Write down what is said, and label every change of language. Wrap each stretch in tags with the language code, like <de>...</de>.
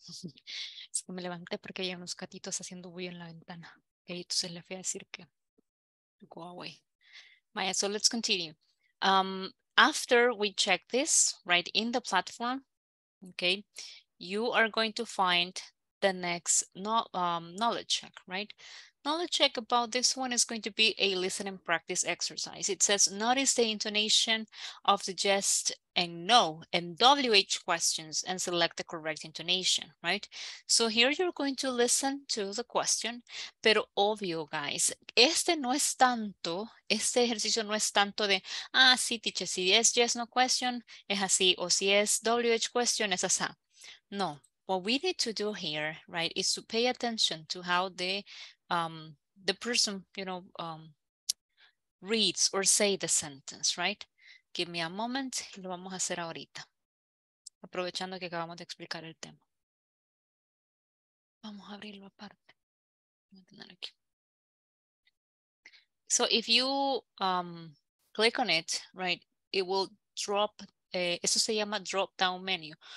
<es>Es que me levanté porque había unos gatitos haciendo bulla en la ventana. Okay, entonces le fui a decir que</es> <en>go away. Maya, so let's continue. After we check this, right, in the platform, okay, you are going to find the next knowledge check, right? Knowledge check about this one is going to be a listening practice exercise. It says, notice the intonation of the yes and no and WH questions and select the correct intonation, right? So here you're going to listen to the question,</en> <es>pero obvio, guys, este ejercicio no es tanto de, ah, sí, teacher, si es yes, no question, es así, o si es WH question, es así.</es> <en>No, what we need to do here, right, is to pay attention to how the person, you know, reads or say the sentence, right? Give me a moment,</en> <es>lo vamos a hacer ahorita. Aprovechando que acabamos de explicar el tema. Vamos a abrirlo aparte. Vamos a tener aquí.</es> <en>So if you click on it, right, it will drop,</en> <es>eso se llama</es> <en>drop down menu.</en>